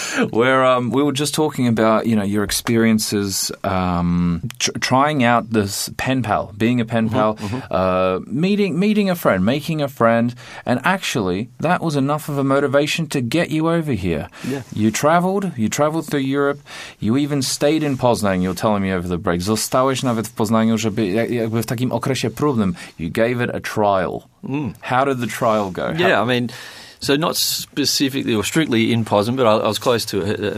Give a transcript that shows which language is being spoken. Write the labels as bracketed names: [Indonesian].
[English] Where we were just talking about, your experiences trying out this pen pal, being a pen pal, meeting a friend, making a friend, and actually that was enough of a motivation to get you over here. Yeah. You traveled through Europe, you even stayed in Poznań, you're telling me over the break. [Polish] Zostałeś nawet w Poznaniu, żeby jakby w takim okresie próbnym. [English] You gave it a trial. Mm. How did the trial go? So not specifically or strictly in Poznań, but I was close to her.